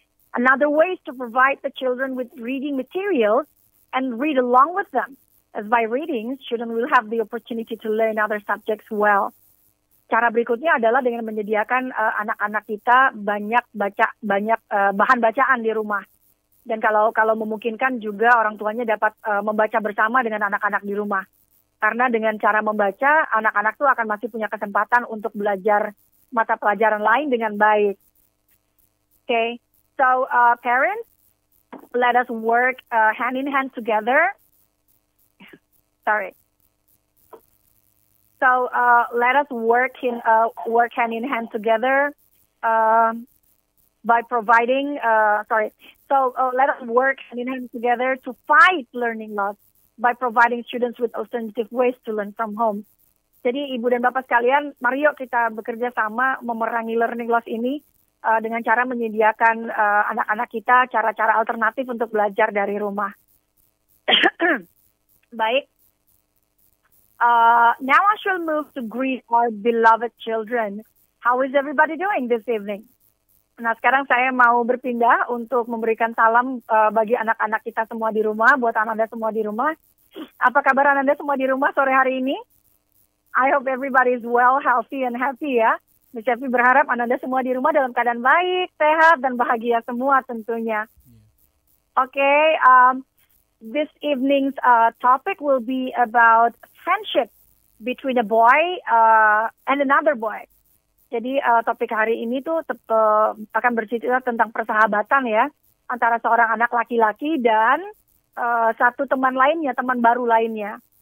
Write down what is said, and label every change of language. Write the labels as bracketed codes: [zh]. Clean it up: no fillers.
[en] Another way is to provide the children with reading materials and read along with them. As by reading, children will have the opportunity to learn other subjects well. [id] Cara berikutnya adalah dengan menyediakan anak-anak kita bahan bacaan di rumah. Dan kalau memungkinkan juga orang tuanya dapat membaca bersama dengan anak-anak di rumah. Karena dengan cara membaca, anak-anak tuh akan masih punya kesempatan untuk belajar mata pelajaran lain dengan baik. [en] Okay, so parents, let us work hand in hand together. Sorry. So let us work hand in hand together by providing. Let us work hand in hand together to fight learning loss by providing students with alternative ways to learn from home. [id] Jadi ibu dan bapak sekalian, mari yuk kita bekerja sama memerangi learning loss ini dengan cara menyediakan anak-anak kita cara-cara alternatif untuk belajar dari rumah. Baik. [en] Now I shall move to greet our beloved children. How is everybody doing this evening? [id] Nah, sekarang saya mau berpindah untuk memberikan salam bagi anak-anak kita semua di rumah, buat Ananda semua di rumah. Apa kabar Ananda semua di rumah sore hari ini? [en] I hope everybody is well, healthy, and happy [id] ya. Miss Effy berharap Ananda semua di rumah dalam keadaan baik, sehat, dan bahagia semua tentunya. [en] Oke, this evening's topic will be about friendship between a boy and another boy. [id] Jadi topik hari ini tuh akan bercerita tentang persahabatan ya antara seorang anak laki-laki dan satu teman lainnya, teman baru lainnya.